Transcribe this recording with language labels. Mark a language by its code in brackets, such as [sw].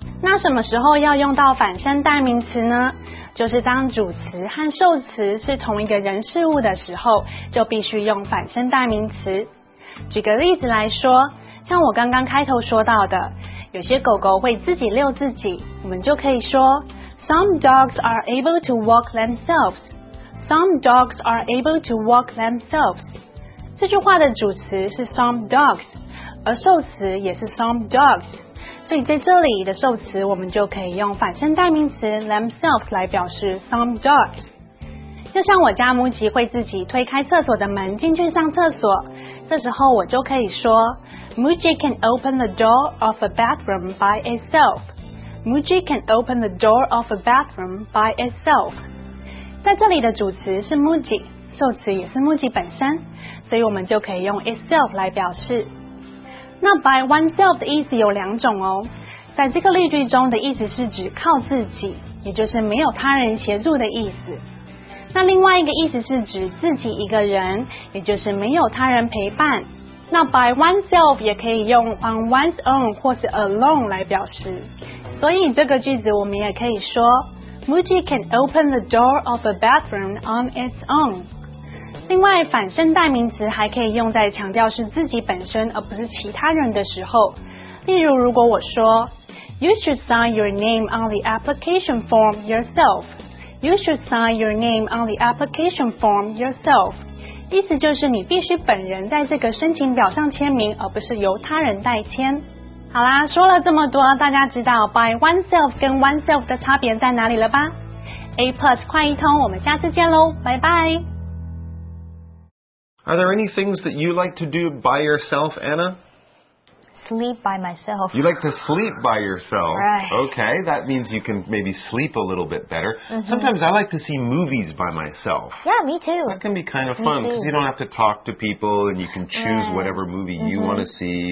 [zh] 那什么时候要用到反身代名词呢？就是当主词和受词是同一个人事物的时候，就必须用反身代名词。举个例子来说，像我刚刚开头说到的，有些狗狗会自己遛自己，我们就可以说 [en] Some dogs are able to walk themselves. Some dogs are able to walk themselves. [zh] 这句话的主词是 some dogs， 而受词也是 some dogs。所以在这里的受词我们就可以用反身代名词 themselves 来表示 some dogs。就像我家母鸡会自己推开厕所的门进去上厕所，这时候我就可以说 [en] Muji can open the door of a bathroom by itself。 Muji can open the door of a bathroom by itself。 [zh] 在这里的主词是 Muji， 受词也是 Muji 本身，所以我们就可以用 itself 来表示。那 by oneself 的意思有两种哦，在这个例句中的意思是指靠自己，也就是没有他人协助的意思。那另外一个意思是指自己一个人，也就是没有他人陪伴。那 by oneself 也可以用 on one's own 或是 alone 来表示。所以这个句子我们也可以说 [en] Muji can open the door of a bathroom on its own。 [zh] 另外反身代名词还可以用在强调是自己本身而不是其他人的时候，例如如果我说 [en] You should sign your name on the application form yourself， You should sign your name on the application form yourself， [zh] 意思就是你必须本人在这个申请表上签名，而不是由他人代签。好啦，说了这么多，大家知道 by oneself 跟 oneself 的差别在哪里了吧？ A Plus 快译通，我们下次见咯，拜拜。 [en] Are there any things that you like to do by yourself, Anna? Sleep by myself. You like to sleep by yourself. Right. Okay, that means you can maybe sleep a little bit better. Mm-hmm. Sometimes I like to see movies by myself. Yeah, me too. That can be kind of fun because you don't have to talk to people and you can choose whatever movie you want to see.